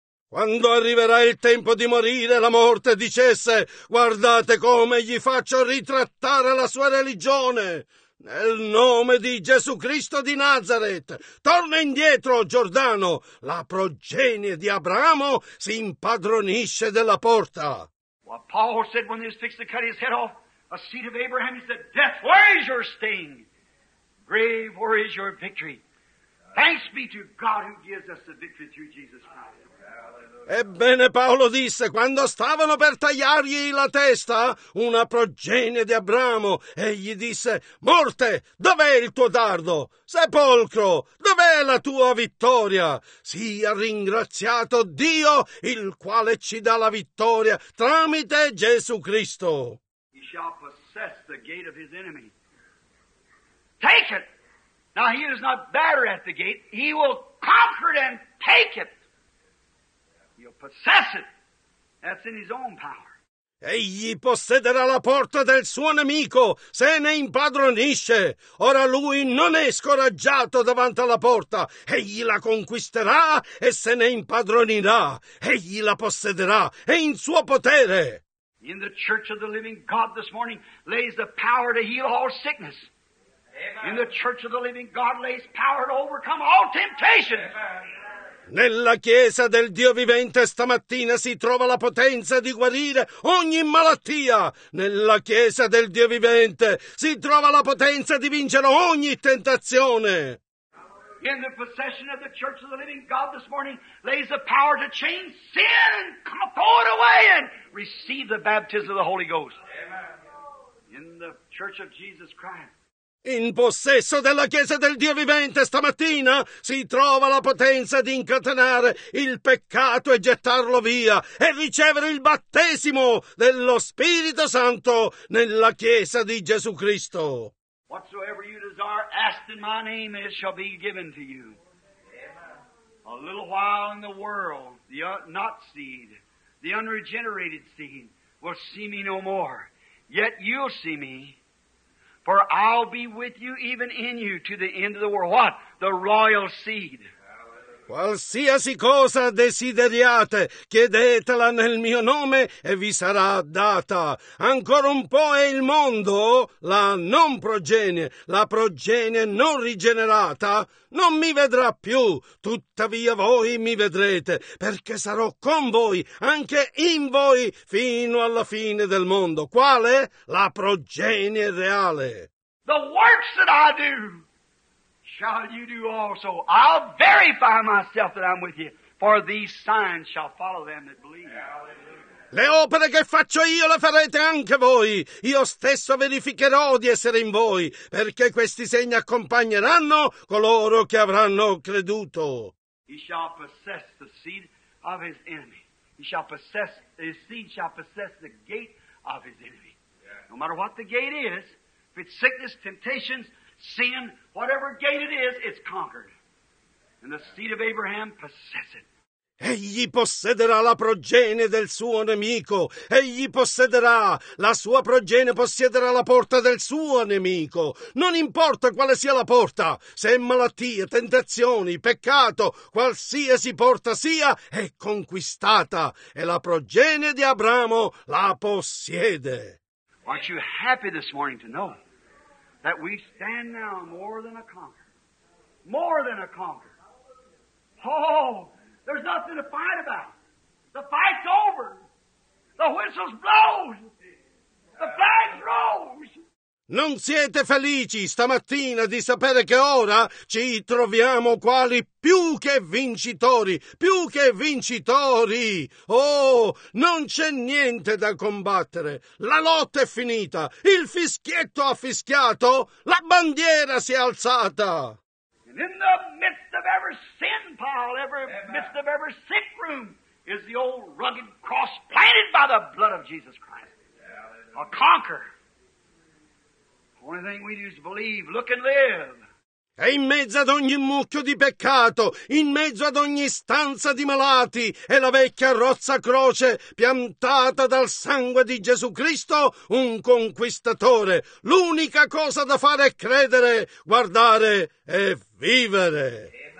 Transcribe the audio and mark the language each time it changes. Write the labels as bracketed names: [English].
[Italian] Quando arriverà il tempo di morire, la morte dicesse, guardate come gli faccio ritrattare la sua religione. Nel nome di Gesù Cristo di Nazareth, torna indietro, Giordano. La progenie di Abramo si impadronisce della porta. [English] What Paul said when he was fixed to cut his head off, a seed of Abraham, he said, death, where is your sting? Grave, where is your victory? Thanks be to God who gives us the victory through Jesus Christ. [Italian] Ebbene Paolo disse, quando stavano per tagliargli la testa, una progenie di Abramo, egli disse, morte, dov'è il tuo dardo? Sepolcro, dov'è la tua vittoria? Sia ringraziato Dio, il quale ci dà la vittoria tramite Gesù Cristo. [English] He shall possess the gate of his enemy. Take it! Now he is not better at the gate, he will conquer it and take it. He'll possess it. That's in his own power. [Italian] Egli possederà la porta del suo nemico, se ne impadronisce. Ora lui non è scoraggiato davanti alla porta. Egli la conquisterà e se ne impadronirà. Egli la possederà. È in suo potere. [English] In the church of the living God this morning lays the power to heal all sickness. Amen. In the church of the living God lays power to overcome all temptation. [Italian] Nella Chiesa del Dio vivente stamattina si trova la potenza di guarire ogni malattia. Nella Chiesa del Dio vivente si trova la potenza di vincere ogni tentazione. [English] In the possession of the Church of the Living God this morning lays the power to change sin and throw it away and receive the baptism of the Holy Ghost. In the Church of Jesus Christ. [Italian] In possesso della Chiesa del Dio vivente stamattina si trova la potenza di incatenare il peccato e gettarlo via e ricevere il battesimo dello Spirito Santo nella Chiesa di Gesù Cristo. [English] Whatsoever you desire, ask in my name and it shall be given to you. A little while in the world, the not seed, the unregenerated seed, will see me no more. Yet you'll see me. For I'll be with you, even in you, to the end of the world. What? The royal seed. [Italian] Qualsiasi cosa desideriate, chiedetela nel mio nome e vi sarà data. Ancora un po' è il mondo, la non progenie, la progenie non rigenerata, non mi vedrà più. Tuttavia voi mi vedrete, perché sarò con voi, anche in voi, fino alla fine del mondo. Quale? La progenie reale. [English] The works that I do! Shall you do also? I'll verify myself that I'm with you for these signs shall follow them that believe. [Italian] Le opere che faccio io le farete anche voi. Io stesso verificherò di essere in voi, perché questi segni accompagneranno coloro che avranno creduto. [English] He shall possess the seed of his enemy. He shall possess, his seed shall possess the gate of his enemy. No matter what the gate is, if it's sickness, temptations, sin, whatever gate it is, it's conquered. And the seed of Abraham possess it. [Italian] Egli possederà la progenie del suo nemico. Egli possederà, la sua progenie possiederà la porta del suo nemico. Non importa quale sia la porta, se è malattia, tentazioni, peccato, qualsiasi porta sia, è conquistata. E la progenie di Abramo la possiede. [English] Aren't you happy this morning to know that we stand now more than a conqueror? More than a conqueror. Oh! There's nothing to fight about. The fight's over. The whistle's blown. The flag rose. [Italian] Non siete felici stamattina di sapere che ora ci troviamo quali più che vincitori, più che vincitori. Oh, non c'è niente da combattere. La lotta è finita. Il fischietto ha fischiato. La bandiera si è alzata. [English] And in the midst of every sin pile, every midst of every sick room is the old rugged cross planted by the blood of Jesus Christ. A conqueror. Only thing we do is believe, look and live. [Italian] E in mezzo ad ogni mucchio di peccato, in mezzo ad ogni stanza di malati, è la vecchia rozza croce piantata dal sangue di Gesù Cristo, un conquistatore. L'unica cosa da fare è credere, guardare e vivere.